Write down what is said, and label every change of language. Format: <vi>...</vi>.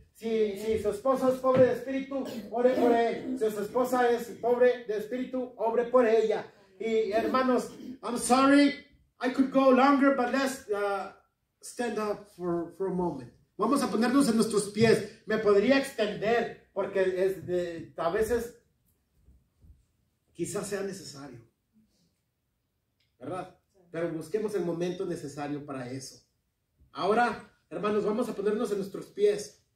<es>Si su esposo es pobre de espíritu, ore por él. Si su esposa es pobre de espíritu, ore por ella. Y hermanos,</es> <en>I'm sorry, I could go longer, but let's stand up for a moment.</en> <es>Vamos a ponernos en nuestros pies. Me podría extender, porque es de, a veces quizás sea necesario. ¿Verdad? Pero busquemos el momento necesario para eso. Ahora, hermanos, vamos a ponernos en nuestros pies.</es>